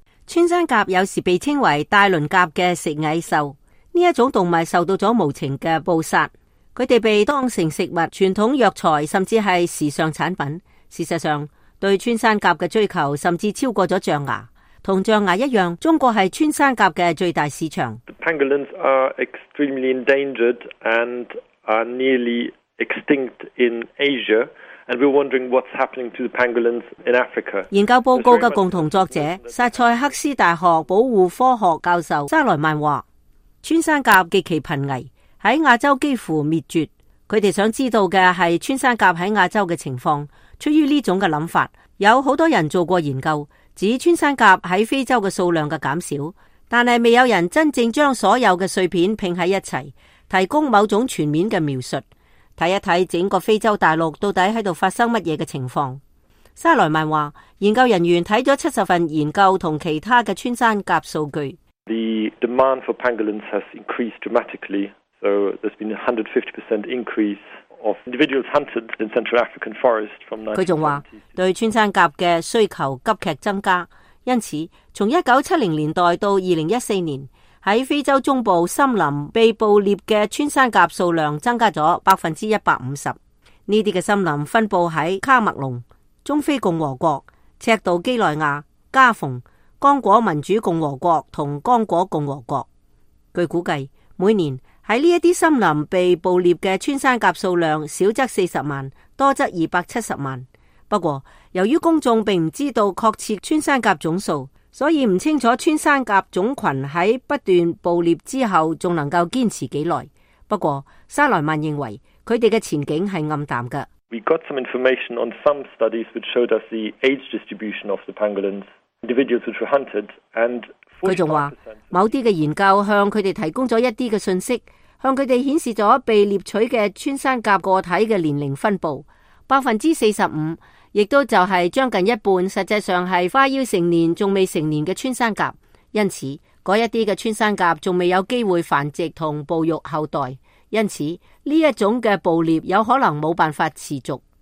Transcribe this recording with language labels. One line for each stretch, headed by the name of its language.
Chinese: 穿山甲有时被称为大鳞甲的食蚁兽，这一种动物受到了无情的捕杀，它们被当成食物、传统药材甚至是时尚产品。事实上，对穿山甲的追求甚至超过了象牙，同象牙一样，中国是穿山甲的最大市场。
English: The pangolins are extremely endangered and are nearly extinct in Asia. And we're wondering what's happening to the pangolins in Africa.
Chinese: 研究报告的共同作者萨塞克斯大学保护科学教授沙莱曼说，穿山甲极其濒危，在亚洲几乎灭绝。他们想知道的是穿山甲在亚洲的情况。出于这种想法，有很多人做过研究，指穿山甲在非洲的数量的减少，但是未有人真正将所有的碎片拼在一起，提供某种全面的描述。看一看整个非洲大陆到底在发生什么情况。沙莱曼说，研究人员看了70份研究和其他的穿山甲数据。
English: The demand for pangolins has increased dramatically, so there's been a 150% increase of individuals hunted in Central African forest from 1970.
Chinese: 他还说，对穿山甲的需求急剧增加，因此从1970年代到2014年在非洲中部森林被捕猎的穿山甲数量增加了150%。这些森林分布在卡麦隆、中非共和国、赤道基内亚、加蓬、刚果民主共和国和刚果共和国。据估计，每年在这些森林被捕猎的穿山甲数量少则40万，多则270万。不过由于公众并不知道确切穿山甲总数，所以不清楚穿山甲种群在不断捕猎之后还能够坚持多久。不过沙莱曼认为他们的前景是暗淡的。
English: We got some information on some studies which showed us the age distribution of the pangolins, individuals which were hunted, and
Chinese: 他还说，某些研究向他们提供了一些信息，向他们显示了被猎取的穿山甲个体的年龄分布。 45%亦都就是将近一半实际上是花腰成年还未成年的穿山甲，因此那一些穿山甲还未有机会繁殖和哺育后代，因此这一种的捕猎有可能没办法持续。